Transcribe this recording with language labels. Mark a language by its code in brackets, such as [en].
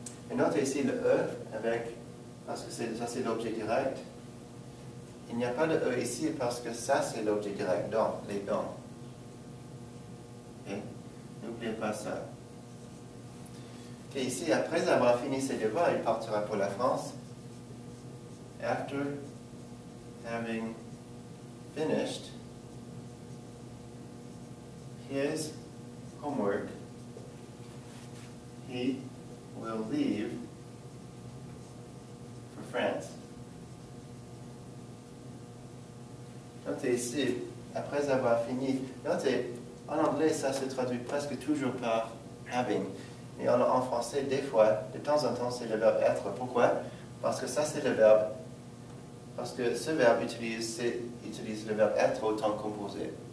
[fr] Et notez ici le E avec, parce que ça c'est l'objet direct. Il n'y a pas de E ici parce que ça c'est l'objet direct, donc les dents. N'oubliez pas ça. Et ici, après avoir fini ses devoirs, il partira pour la France. [en] After having finished his homework, he will leave for France. [fr] Notez ici, après avoir fini, notez, en anglais, ça se traduit presque toujours par having. Mais en français, des fois, de temps en temps, c'est le verbe être. Pourquoi? Parce que ça, c'est le verbe. Parce que ce verbe utilise le verbe être au temps composé.